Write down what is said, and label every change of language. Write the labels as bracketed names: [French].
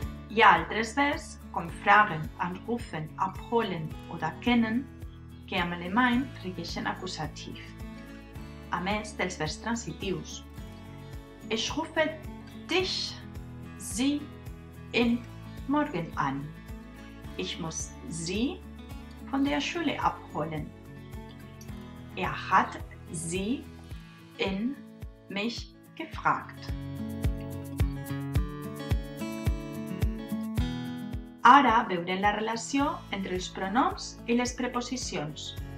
[Catalan] Hi ha altres verbs, com fragen, anrufen, abholen oder kennen, que en alemany requereixen acusatiu, a més dels verbs transitius. [German] Ich rufe dich, sie, ihn morgen an. Ich muss sie von der Schule abholen. Er hat sie in mich gefragt. [Catalan] Ara veurem la relació entre els pronoms i les preposicions.